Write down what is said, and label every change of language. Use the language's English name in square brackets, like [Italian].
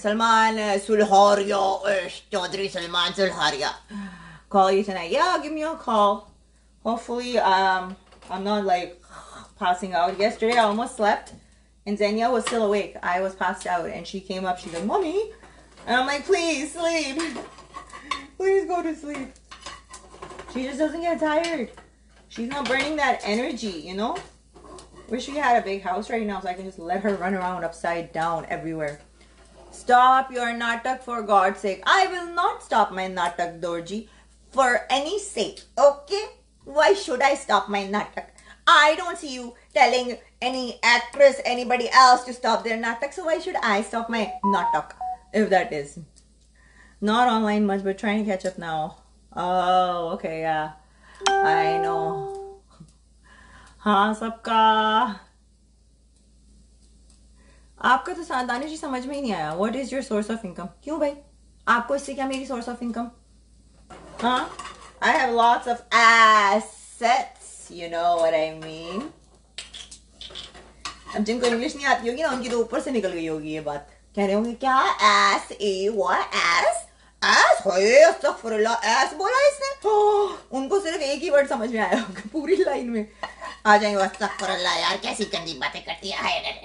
[English] Salman Sulharia Chaudhary, Salman Sulharia, call you tonight, या give me a call, hopefully I am not like passing out. Yesterday I almost slept and Zenia was still awake, I was passed out and she came up, she got mummy, and I'm like, please sleep, please go to sleep. She just doesn't get tired, she's not burning that energy, you know. Wish we had a big house right now so I can just let her run around upside down everywhere. Stop your natak for God's sake. I will not stop my natak, Dorji, for any sake, okay? Why should I stop my natak? I don't see you telling any actress, anybody else to stop their natak, so why should I stop my natak? If that is not online much, but trying to catch up now. Oh, okay, yeah, I know. [Hindi] हाँ सबका, आपका तो सांतानी जी समझ में ही नहीं आया। [English] What is your source of income? [Hindi] क्यों भाई? आपको इससे क्या मेरी [English] source of income? हाँ, I have lots of assets. You know what I mean? [Hindi] अब जिनको English नहीं आती होगी ना, उनकी तो ऊपर से निकल गई होगी ये बात। कह रहे होंगे क्या S A S S अस्तग़फ़ुरुल्लाह S बोला इसने, उनको सिर्फ एक ही वर्ड समझ में आया होगा पूरी लाइन में आ जाएंगे अस्तग़फ़ुरुल्लाह यार कैसी गंदी बातें करती है।